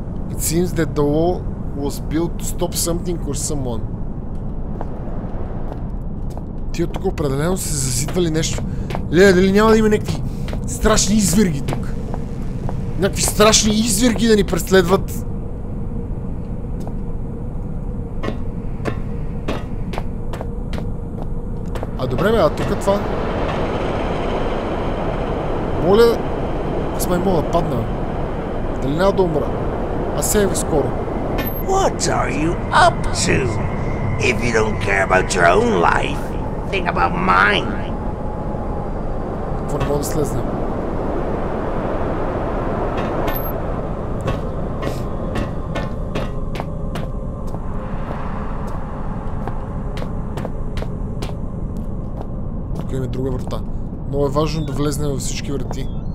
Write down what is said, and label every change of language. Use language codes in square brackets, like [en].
[en] It seems that the law was built to stop something or someone. [bg] Тия тук определено се заситвали нещо. Леле, дали няма да има някакви страшни изверги тук? Някакви страшни изверги да ни преследват? А добре бе, а тук е това? Моля... Аз май мога да падна. Дали няма да умра? Аз се е скоро. [en] What are you up to? If you don't care about your own life, think about mine. [bg] Какво не мога да слезнем? Тук има друга врата. Много е важно да влезнем във всички врати.